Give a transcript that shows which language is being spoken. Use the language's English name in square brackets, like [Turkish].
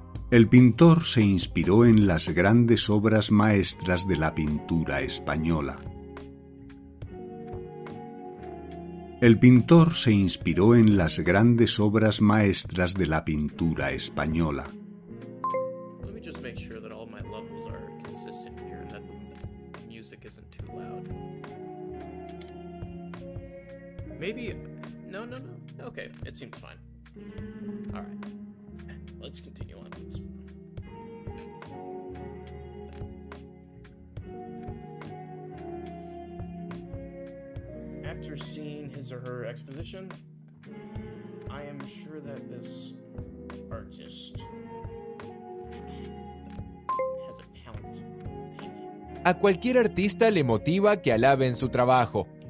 [Spanish] El pintor se inspiró en las grandes obras maestras de la pintura española. El pintor se inspiró en las grandes obras maestras de la pintura española. [English] Let me just make sure that all my levels are consistent here and that the music isn't too loud. Maybe no. Okay, it seems fine. All right. Let's continue on. After seeing his or her exposition, I am sure that this artist has a talent. [Spanish] A cualquier artista le motiva que alaben su trabajo.